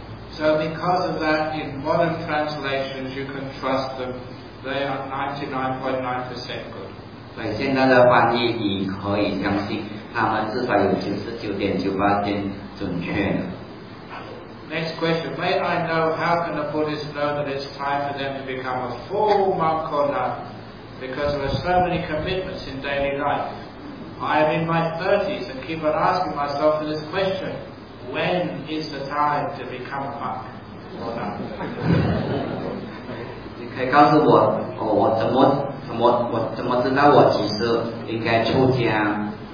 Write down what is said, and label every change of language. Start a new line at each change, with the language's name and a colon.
English: So because of that, in modern translations, you can trust them; they are 99.9% good.
Chinese: 所以现在的翻译你可以相信，他们至少有99.98%准确的。
English: Next question. May I know how can a Buddhist know that it's time for them to become a full monk or nun? Because there are so many commitments in daily life. I am in my 30s and keep on asking myself this question. When is the time to become a monk or nun?
Chinese: 你可以告诉我，我怎么知道我几时应该出家？